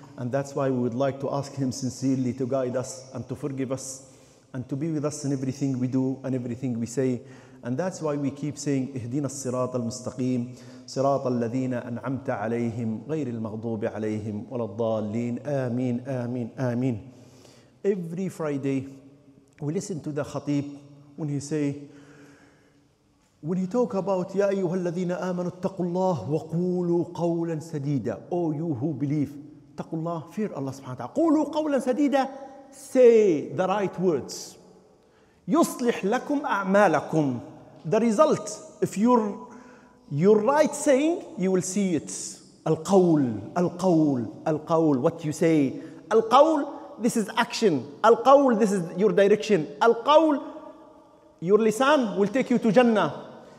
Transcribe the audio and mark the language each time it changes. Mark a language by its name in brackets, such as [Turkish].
[English] And that's why we would like to ask Him sincerely to guide us and to forgive us and to be with us in everything we do and everything we say. And that's why we keep saying [Arabic] اهدنا الصراط المستقيم صراط الذين أنعمت عليهم غير المغضوب عليهم ولا الضالين. آمين آمين آمين. [English] Every Friday we listen to the khatib when he say, when he talk about [Arabic] يا أيها الذين آمنوا اتقوا الله وقولوا قولا سديدا. [English] Oh you who believe, [Arabic] اتقوا الله, [English] fear Allah سبحانه وتعالى. [Arabic] قولوا قولا سديدا, [English] say the right words, [Arabic] يصلح لكم أعمالكم. [English] The result, if your right saying, you will see it. Al-qawl, al-qawl, al-qawl, what you say. Al-qawl, this is action. Al-qawl, this is your direction. Al-qawl, your lisan will take you to Jannah.